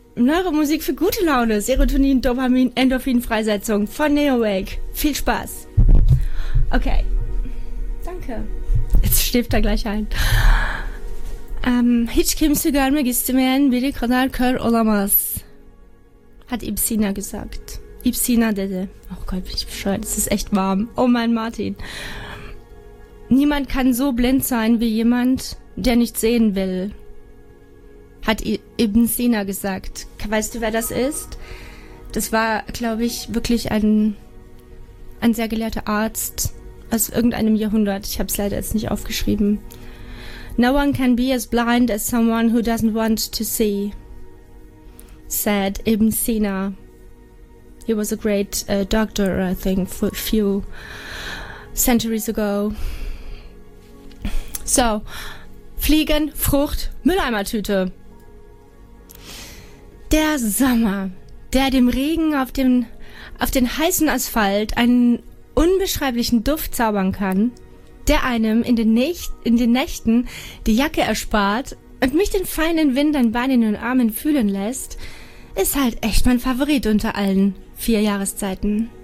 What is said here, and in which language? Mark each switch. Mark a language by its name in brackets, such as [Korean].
[German] Neue Musik für gute Laune, Serotonin, Dopamin, Endorphin-Freisetzung von Neowake. Viel Spaß. Okay, danke. Jetzt schläft er gleich ein. [Turkish] Hiç kimse görmek istemeyen biri kadar kör olamaz. [German] Hat Ibsina gesagt. [Turkish] Ibsina dedi. [German] Oh Gott, bin ich bescheuert. Es ist echt warm. Oh mein Martin. Niemand kann so blind sein wie jemand, der nicht sehen will. Hat Ibsina gesagt. Weißt du, wer das ist? Das war, glaube ich, wirklich ein sehr gelehrter Arzt aus irgendeinem Jahrhundert. Ich habe es leider jetzt nicht aufgeschrieben. [English] No one can be as blind as someone who doesn't want to see, said Ibn Sina. He was a great doctor, I think, for a few centuries ago. [German] So, Fliegen, Frucht, Mülleimertüte. Der Sommer, der dem Regen auf den heißen Asphalt einen unbeschreiblichen Duft zaubern kann, der einem in den Nächten die Jacke erspart und mich den feinen Wind an Beinen und Armen fühlen lässt, ist halt echt mein Favorit unter allen vier Jahreszeiten.